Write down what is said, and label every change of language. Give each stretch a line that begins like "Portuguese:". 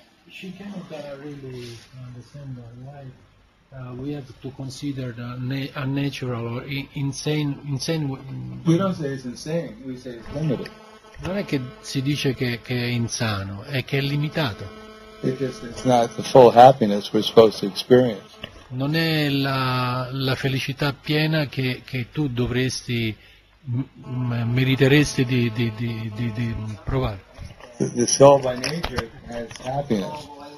English: She cannot really understand why we have to consider the unnatural or insane. We don't say it's insane. We say it's limited.
Italian: Non è che si dice che è insano, è che è limitato.
English: It's not the full happiness we're supposed to experience.
Italian: Non è la felicità piena che tu dovresti meriteresti di provare.
English: The soul by nature has happiness.